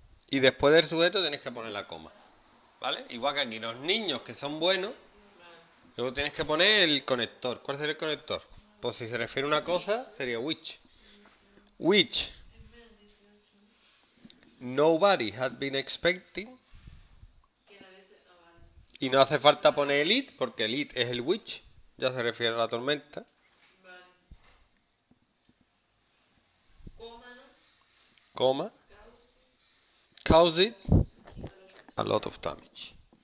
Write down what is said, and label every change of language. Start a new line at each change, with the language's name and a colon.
Spanish: Y después del sujeto tienes que poner la coma. ¿Vale? Igual que aquí, los niños que son buenos. Luego tienes que poner el conector. ¿Cuál sería el conector? Pues si se refiere a una cosa, sería which.
English: Which. Nobody had been expecting.
Spanish: Y no hace falta poner el it, porque el it es el which. Ya se refiere a la tormenta. Coma,
English: cause it A lot of damage.